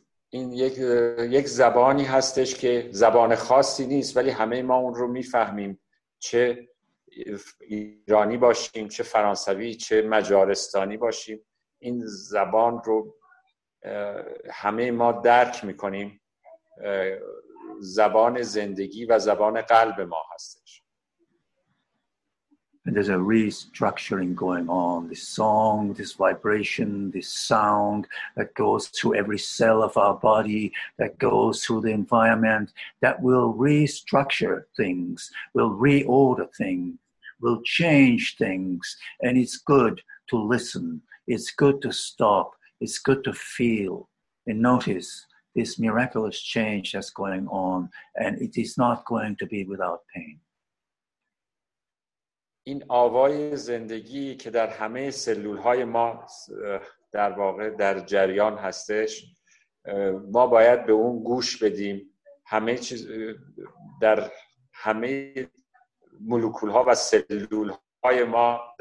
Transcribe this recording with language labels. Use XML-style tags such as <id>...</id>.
<fa>این یک زبانی هستش که زبان خاصی نیست ولی همه ما اون رو میفهمیم چه ایرانی باشیم چه فرانسوی چه مجارستانی باشیم این زبان رو همه ما درک میکنیم زبان زندگی و زبان قلب ما هستش</fa> <en>And there's a restructuring going on this song this vibration this sound that goes through every cell of our body that goes through the environment that will restructure things will reorder things will change things and it's good to listen it's good to stop it's good to feel and notice this miraculous change that's going on and it is not going to be without pain</en> <fa>این آوای زندگی که در همه سلول‌های ما در واقع در جریان هستش ما باید به اون گوش بدیم همه چیز در همه مولکول ها و سلول های ما</fa>